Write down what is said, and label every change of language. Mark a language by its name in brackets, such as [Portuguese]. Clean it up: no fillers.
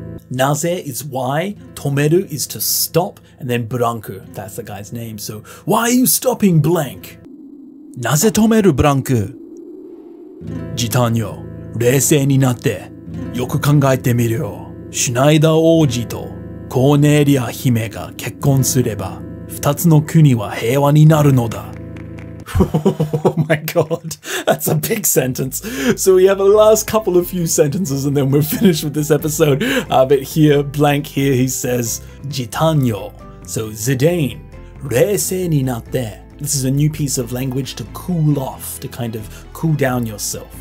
[English] なぜ is why, 止める is to stop, and then ブランク, that's the guy's name, so why are you stopping, blank? [Japanese] なぜ止める、ブランク。ジタニョ、冷静になって、よく考えてみるよ。シュナイダー王子とコーネリア姫が結婚すれば、二つの国は平和になるのだ。 [English] Oh my god, that's a big sentence. So we have a last couple of few sentences and then we're finished with this episode. But here, blank here, he says, ジタニョ.So Zidane, [Japanese] 冷静になって. [English] This is a new piece of language to cool off, to kind of cool down yourself.